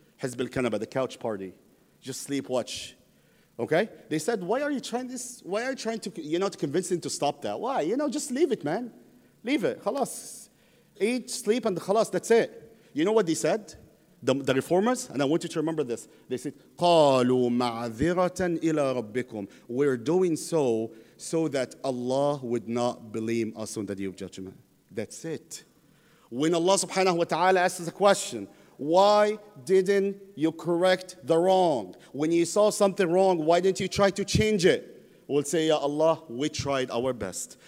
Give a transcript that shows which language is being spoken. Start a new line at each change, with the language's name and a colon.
English: Hizb al-Kanaba, the couch party. Just sleep, watch. Okay? They said, why are you trying to convince them to stop that? Why? Just leave it, man. Leave it. Khalas. Eat, sleep, and khalas, that's it. You know what they said? The reformers, and I want you to remember this. They said,
Arabic: قَالُوا مَعْذِرَةً إِلَىٰ رَبِّكُمْ.
English: We're doing so that Allah would not blame us on the day of judgment. That's it. When Allah subhanahu wa ta'ala asks us a question, why didn't you correct the wrong? When you saw something wrong, why didn't you try to change it? We'll say, Ya Allah, we tried our best.